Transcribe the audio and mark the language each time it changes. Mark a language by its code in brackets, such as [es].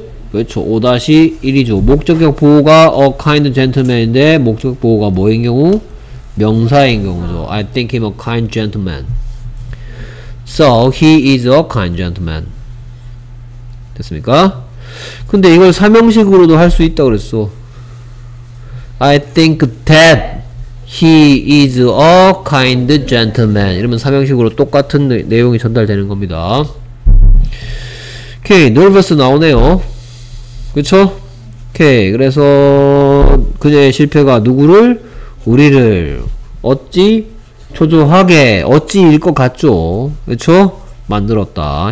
[ko] 그렇죠. 5-1이죠. 목적격 보호가 a kind gentleman인데 목적격 보호가 뭐인 경우? 명사인 경우죠. [en] I think him a kind gentleman. So he is a kind gentleman. [ko] 됐습니까? 근데 이걸 삼형식으로도 할 수 있다 그랬어. [en] I think that he is a kind gentleman. [ko] 이러면 삼형식으로 똑같은 내용이 전달되는 겁니다. 오케이. nervous 나오네요. 그쵸? 오케이. 그래서 그녀의 실패가 누구를? 우리를. 어찌? 초조하게. 어찌일 것 같죠? 그쵸? 만들었다.